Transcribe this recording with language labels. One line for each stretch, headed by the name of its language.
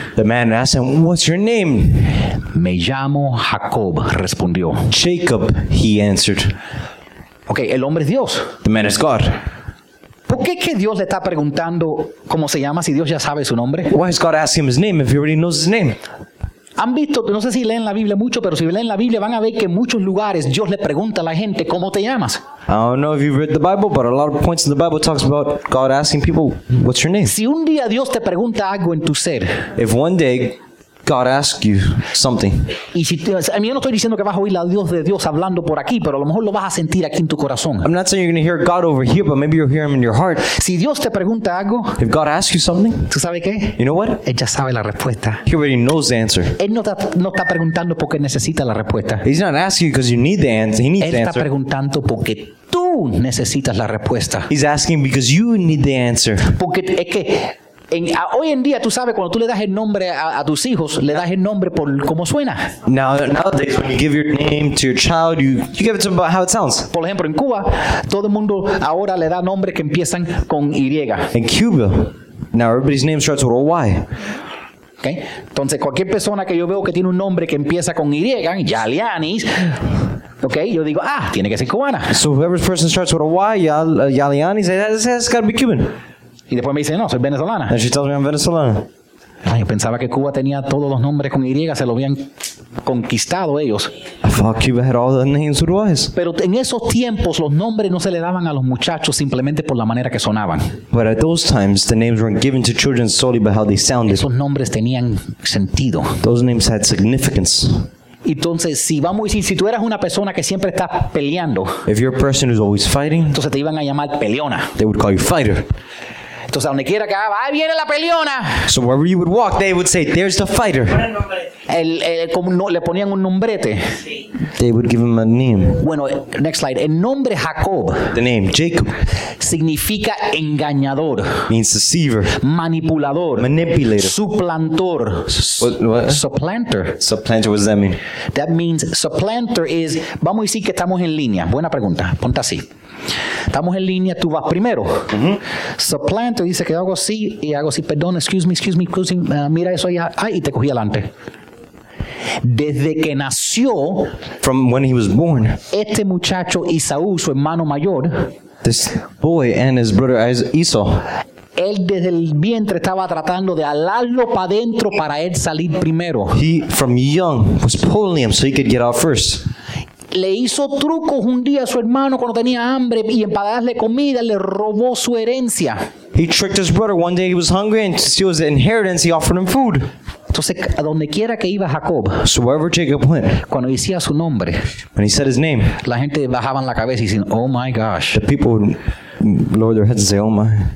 English: The man asked him, what's your name?
Spanish: Me llamo Jacob, respondió.
English: Jacob, he answered.
Spanish: Okay, el hombre es Dios.
English: The man is God.
Spanish: ¿Por qué que Dios le está preguntando cómo se llama si Dios ya sabe su nombre?
English: Why is God asking him his name if he already knows his name?
Spanish: Han visto, no sé si leen la Biblia mucho, pero si leen la Biblia van a ver que en muchos lugares Dios le pregunta a la gente, ¿cómo te llamas?
English: I don't know if you've read the Bible, but a lot of points in the Bible talks about God asking people, what's your name?
Spanish: Si un día Dios te pregunta algo en tu ser.
English: If one day God asks you something.
Spanish: Y si te, a mí no estoy diciendo que vas a oír la Dios de Dios hablando por aquí, pero a lo mejor lo vas a sentir aquí en tu corazón.
English: I'm not saying you're going to hear God over here, but maybe you'll hear him in your heart.
Spanish: Si Dios te pregunta algo.
English: If God asks you something.
Spanish: ¿Tú sabes qué?
English: You know what?
Spanish: Él ya sabe la respuesta.
English: He already knows the answer.
Spanish: Él no está preguntando porque necesita la respuesta.
English: He's not asking you because you need the answer. He needs
Spanish: Él
English: the answer.
Spanish: Está preguntando porque tú necesitas la respuesta.
English: He's asking because you need the answer.
Spanish: Porque es que hoy en día, tú sabes, cuando tú le das el nombre a tus hijos, le das el nombre por cómo suena.
English: Nowadays, when you give your name to your child, you give it to them about how it sounds.
Spanish: Por ejemplo, en Cuba, todo el mundo ahora le da nombres que empiezan con Y.
English: In Cuba, now everybody's name starts with a Y. Okay.
Spanish: Entonces, cualquier persona que yo veo que tiene un nombre que empieza con Y, Yalianis, okay, yo digo, ah, tiene que ser cubana.
English: So, whoever's person starts with a Y, Yalianis, that's got to be Cuban.
Spanish: Y después me dice, no, soy venezolana.
English: And she tells me I'm Venezuelan.
Spanish: Ay, yo pensaba que Cuba tenía todos los nombres con Y, se lo habían conquistado ellos.
English: I thought Cuba had all the names with Ys.
Spanish: Pero en esos tiempos, los nombres no se le daban a los muchachos simplemente por la manera que sonaban.
English: But at those times, the names weren't given to children solely by how they sounded.
Spanish: Esos nombres tenían sentido.
English: Those names had significance.
Spanish: Entonces, si vamos a decir, si tú eras una persona que siempre está peleando.
English: If you're a person who's always fighting.
Spanish: Entonces te iban a llamar peleona.
English: They would call you fighter.
Spanish: Entonces, donde quiera que haga, ahí viene la peleona.
English: So wherever you would walk, they would say, there's the fighter.
Spanish: Como no, le ponían un nombrete.
English: They would give him a name.
Spanish: Bueno,
English: next slide.
Spanish: El nombre Jacob.
English: The name Jacob.
Spanish: Significa engañador.
English: Means deceiver.
Spanish: Manipulador.
English: Manipulator.
Spanish: Suplantor.
English: What? Supplanter. Supplanter, what does that mean? That means supplanter is,
Spanish: vamos a decir que estamos en línea. Buena pregunta. Ponte así. Estamos en línea, tú vas primero. Mm-hmm. Supplanter dice que hago así y hago así, perdón,
English: excuse me,
Spanish: mira eso allá, ay, y te cogí adelante. Desde que nació,
English: from when he was born,
Spanish: este muchacho Isaú, su hermano mayor,
English: this boy and his brother Esau,
Spanish: él desde el vientre estaba tratando de alarlo para adentro para él salir primero.
English: He, from young, was pulling him so he could get out first.
Spanish: Le hizo trucos un día a su hermano cuando tenía hambre y para darle comida le robó su herencia.
English: He tricked his brother one day he was hungry and to steal his inheritance he offered him food.
Spanish: Entonces, a donde quiera que iba Jacob,
English: so wherever Jacob went,
Spanish: cuando decía su nombre,
English: when he said his name,
Spanish: la gente bajaban la cabeza y decían,
English: oh my gosh. The people would lower their heads and say, oh my.